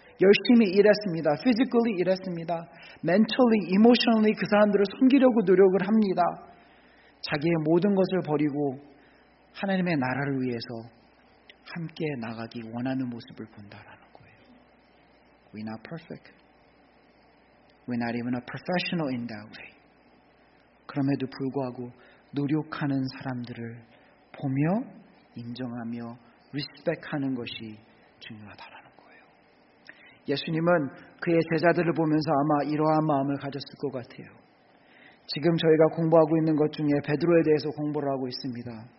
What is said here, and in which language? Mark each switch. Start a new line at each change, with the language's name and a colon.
Korean: 열심히 일했습니다. Physically 일했습니다. Mentally, emotionally 그 사람들을 섬기려고 노력을 합니다. 자기의 모든 것을 버리고 하나님의 나라를 위해서 함께 나가기 원하는 모습을 본다라는 거예요.
English: We're not perfect. We're not even a professional in that way.
Korean: 그럼에도 불구하고 노력하는 사람들을 보며 인정하며 respect하는 것이 중요하다라는 거예요. 예수님은 그의 제자들을 보면서 아마 이러한 마음을 가졌을 것 같아요. 지금 저희가 공부하고 있는 것 중에 베드로에 대해서 공부를 하고 있습니다.